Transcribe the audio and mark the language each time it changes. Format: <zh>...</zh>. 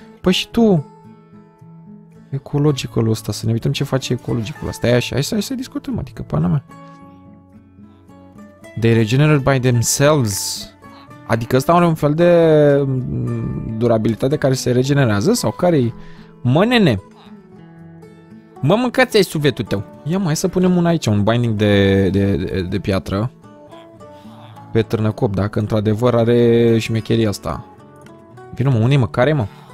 <ro>Păi și tu ecologicul ăsta, să ne uităm ce face ecologicul ăsta. Stai așa, hai să discutăm, adică pana mea.</ro> <en>They regenerate by themselves.</en> <ro>Adică ăsta are un fel de durabilitate care se regenerează sau care-i? Mă, nene! Mă, mâncați-ai suvetul tău! Ia mai să punem una aici, un binding de piatră. Pe târnăcop, dacă într-adevăr are șmecheria asta. Vino, mă, unde-i, mă, care, mă?</ro>